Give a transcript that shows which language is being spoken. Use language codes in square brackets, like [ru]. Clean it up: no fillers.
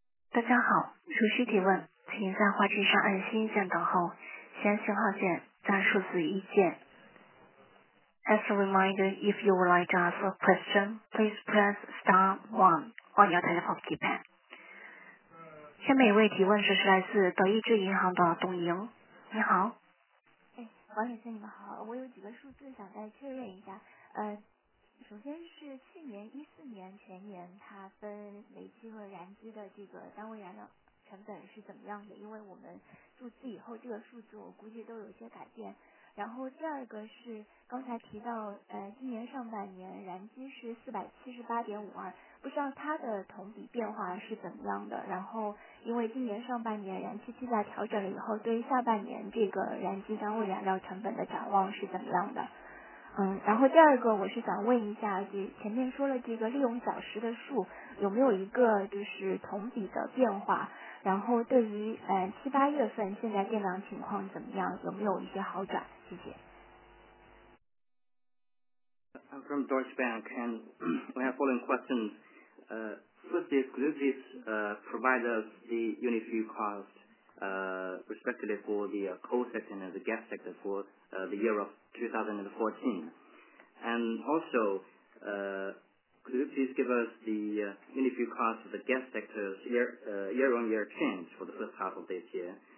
[zh] 大家好，如需提问，请在画质上按星键等候，先信号键，再数字一键。 As a reminder, if you would like to ask a question, please press star 1 on your telephone keypad. 下面一位提问是来自德意志银行的董莹，你好。王女士你们好，我有几个数字想再确认一下。首先是去年14年全年它分煤气和燃机的这个单位燃料成本是怎么样的，因为我们注资以后这个数字我估计都有些改变。然后第二个是刚才提到今年上半年燃机是 478.52, 不知道它的同比变化是怎么样的，然后因为今年上半年燃气计价调整了以后，对于下半年这个燃机单位燃料成本的展望是怎么样的。然后第二个我是想问一下，就前面说了这个利用小时的数有没有一个就是同比的变化，然后对于七八月份现在电量情况怎么样，有没有一些好转，谢谢。 [en] I'm from Deutsche Bank and we have following questions. First is, could you please provide us the unit fuel cost respectively for the coal sector and the gas sector for the year of 2014? And also, could you please give us the unit fuel cost of the gas sector's year-on-year change for the first half of this year?